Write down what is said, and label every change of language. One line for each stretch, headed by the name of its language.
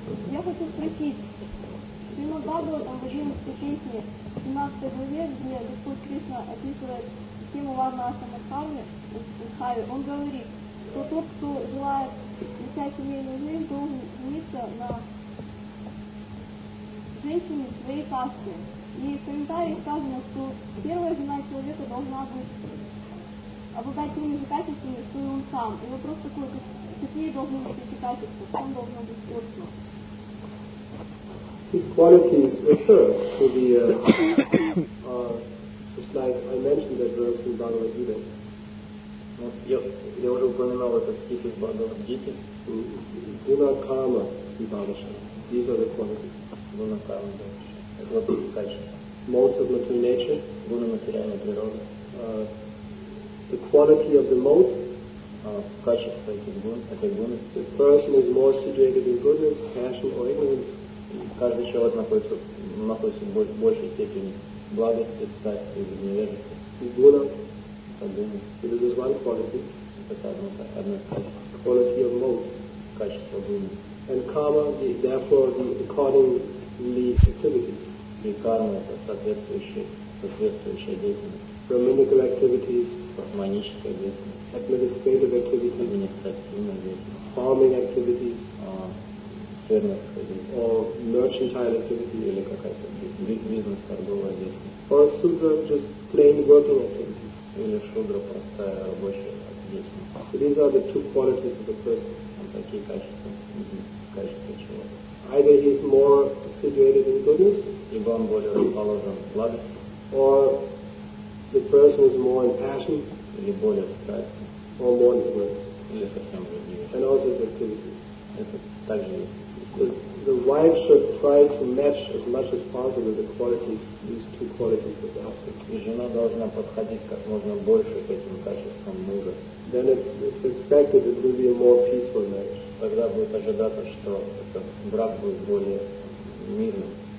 Russian: Я хочу спросить, Шрима Бхагаватам в 11 песне, в 17 главе, где Господь Кришна описывает схему Варна Ашрама Кхари, он говорит, что тот, кто желает вести семейную жизнь, должен жениться на женщине своей касты. И в комментариях сказано, что первая жена человека должна быть обладать теми же качествами, что и он сам. И вопрос такой, как, какие должны быть эти качества, что он должен быть спорчен.
English: His qualities refer to the, just like I mentioned that verse in Bhagavad Gita.
Russian: Я уже упоминал этот стих из Бхагавад Гиты.
English: Guna Karma и Bhagavad Gita. These are the qualities.
Russian: Guna Karma и Bhagavad Gita. Это вот эти качества.
English: Modes of material nature.
Russian: Guna материальной природы.
English: The quality of the mode,
Russian: качество этих гун, этой гуны.
English: The person is more situated in goodness, passion or ignorance.
Russian: Каждый человек находится в большей степени благости, страсти или невежества. И гуна. Это гуна.
English: It is one quality.
Russian: Это одно качество.
English: Quality of mode.
Russian: Качество гуны.
English: And karma, therefore, the accordingly activity.
Russian: И карма, это соответствующая деятельность.
English: Brahminical activities.
Russian: Космоническая деятельность.
English: Administrative activity.
Russian: Административная деятельность.
English: Farming activity.
Russian: Фермерская деятельность.
English: Or merchantile activity.
Russian: Или какая-то бизнес-торговая деятельность.
English: Or sudra, just plain working activity.
Russian: Или шудра, простая рабочая деятельность.
English: These are the two qualities of the person.
Russian: Такие качества. Качества человека.
English: Either he is more situated in goodness.
Russian: Либо он более расположен в благости.
English: Or the person is more impassioned,
Russian: или более страстен,
English: or more influenced,
Russian: или совсем другие.
English: And also his activities.
Russian: Это также
English: the wife should try to match as much as possible the qualities, these two qualities of the husband.
Russian: И жена должна подходить как можно больше к этим качествам мужа.
English: Then it's expected it will be a more peaceful marriage.
Russian: Тогда будет ожидаться, что этот брак будет более мирным.